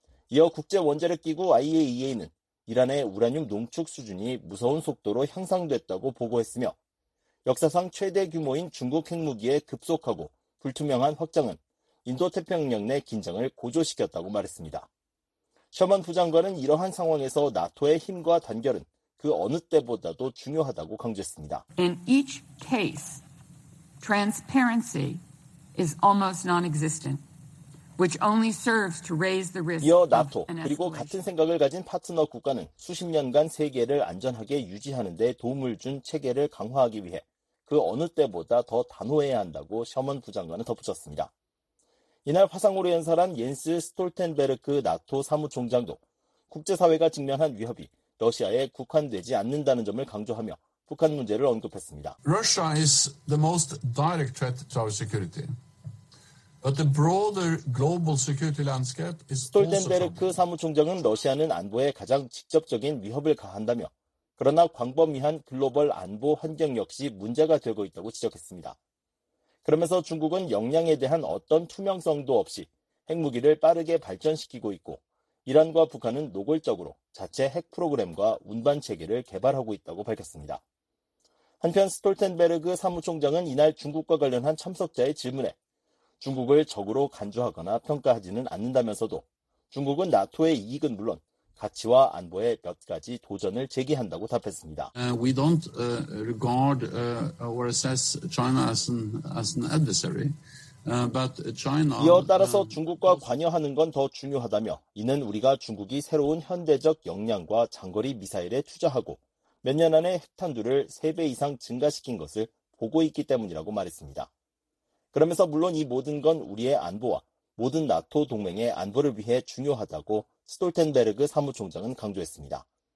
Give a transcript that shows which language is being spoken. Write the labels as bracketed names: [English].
[Korean] 이어 국제원자력기구 IAEA는 이란의 우라늄 농축 수준이 무서운 속도로 향상됐다고 보고했으며 역사상 최대 규모인 중국 핵무기의 급속하고 불투명한 확장은 인도태평양 내 긴장을 고조시켰다고 말했습니다. 셔먼 부장관은 이러한 상황에서 나토의 힘과 단결은 그 어느 때보다도 중요하다고 강조했습니다. [English] In each case, transparency is almost non-existent, which only serves to raise the risk. [Korean] 이어 나토 그리고 같은 생각을 가진 파트너 국가는 수십 년간 세계를 안전하게 유지하는 데 도움을 준 체계를 강화하기 위해 그 어느 때보다 더 단호해야 한다고 셔먼 부장관은 덧붙였습니다. 이날 화상으로 연설한 옌스 스톨텐베르크 나토 사무총장도 국제사회가 직면한 위협이 러시아에 국한되지 않는다는 점을 강조하며 북한 문제를 언급했습니다. [English] Russia is the most direct threat to our security. But the broader global security landscape is also. [Korean] 스톨텐베르크 사무총장은 러시아는 안보에 가장 직접적인 위협을 가한다며 그러나 광범위한 글로벌 안보 환경 역시 문제가 되고 있다고 지적했습니다. 그러면서 중국은 역량에 대한 어떤 투명성도 없이 핵무기를 빠르게 발전시키고 있고 이란과 북한은 노골적으로 자체 핵 프로그램과 운반 체계를 개발하고 있다고 밝혔습니다. 한편 스톨텐베르그 사무총장은 이날 중국과 관련한 참석자의 질문에 중국을 적으로 간주하거나 평가하지는 않는다면서도 중국은 나토의 이익은 물론 가치와 안보에 몇 가지 도전을 제기한다고 답했습니다. [English] We don't regard or assess China as an adversary. But China. [Korean] 이어 따라서 중국과 관여하는 건 더 중요하다며 이는 우리가 중국이 새로운 현대적 역량과 장거리 미사일에 투자하고 몇 년 안에 핵탄두를 3배 이상 증가시킨 것을 보고 있기 때문이라고 말했습니다. 그러면서 물론 이 모든 건 우리의 안보와 모든 나토 동맹의 안보를 위해 중요하다고 스톨텐베르그 사무총장은 강조했습니다.